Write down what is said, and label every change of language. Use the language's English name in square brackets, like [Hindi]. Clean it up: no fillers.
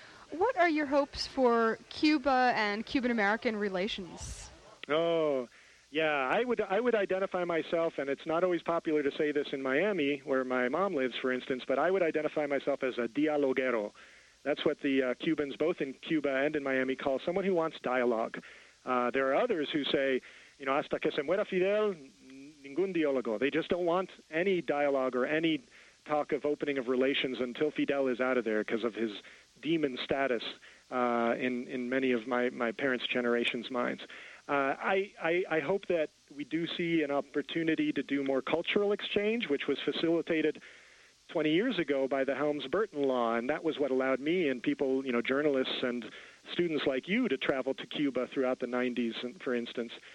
[English] What are your hopes for Cuba and Cuban-American relations? Oh, yeah, I would identify myself, and it's not always popular to say this in Miami, where my mom lives, for instance, but I would identify myself as a dialoguero. That's what the Cubans, both in Cuba and in Miami, call someone who wants dialogue. [Spanish] There are others who say, hasta que se muera Fidel, ningún diálogo. [English] They just don't want any dialogue or any talk of opening of relations until Fidel is out of there because of his demon status in many of my parents' generation's minds. I hope that we do see an opportunity to do more cultural exchange, which was facilitated 20 years ago by the Helms-Burton Law, and that was what allowed me and people, journalists and students like you to travel to Cuba throughout the 90s, for instance.